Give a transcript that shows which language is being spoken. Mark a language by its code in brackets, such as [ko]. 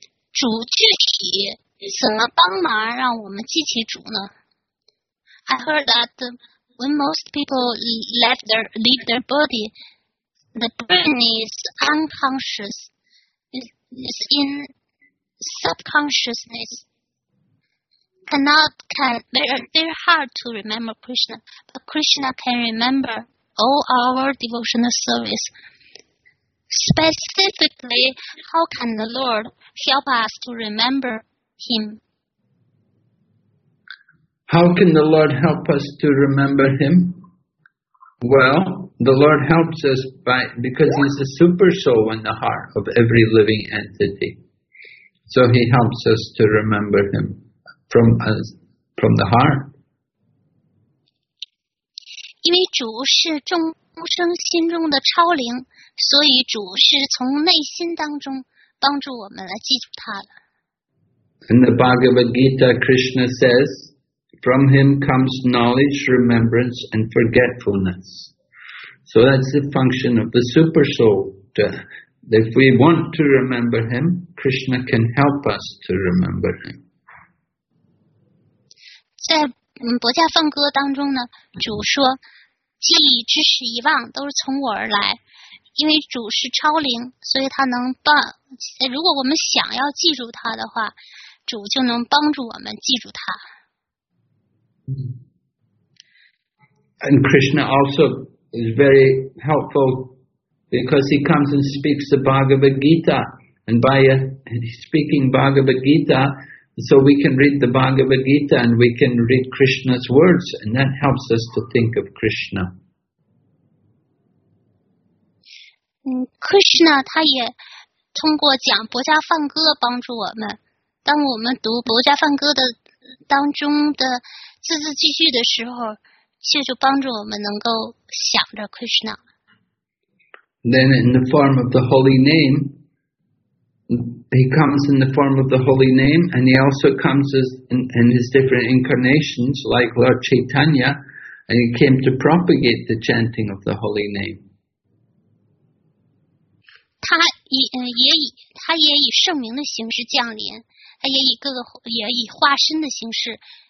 [zh] 主具体怎么帮忙让我们记起主呢？ [en] I heard that when most people leave their body, the brain is unconscious, is in subconsciousness, can very hard to remember Krishna, but Krishna can remember all our devotional service. Specifically, how can the Lord help us to remember Him? How can the Lord help us to remember Him? Well, the Lord helps us because He's the super soul in the heart of every living entity. So He helps us to remember Him from the heart. [zh] 因为主是众生心中的超灵，所以主是从内心当中帮助我们来记住他的。 [en] In the Bhagavad Gita, Krishna says,From him comes knowledge, remembrance, and forgetfulness. So that's the function of the super soul. If we want to remember him, Krishna can help us to remember him. [zh] 在薄伽梵歌当中呢，主说，记忆、知识、遗忘都是从我而来。因为主是超灵，所以他能帮。如果我们想要记住他的话，主就能帮助我们记住他。 [en] And Krishna also is very helpful because he comes and speaks the Bhagavad Gita. And by speaking Bhagavad Gita, so we can read the Bhagavad Gita and we can read Krishna's words, and that helps us to think of Krishna. [zh] Krishna, 他也通过讲薄伽梵歌帮助我们。当我们读薄伽梵歌的当中的字字句句的时候，却就帮助我们能够想着 Krishna。 [en] Then in the form of the holy name, he comes in the form of the holy name, and he also comes as in his different incarnations, like Lord Chaitanya, and he came to propagate the chanting of the holy name. [zh] 他也以圣名的形式降临，他也以各个也以化身的形式。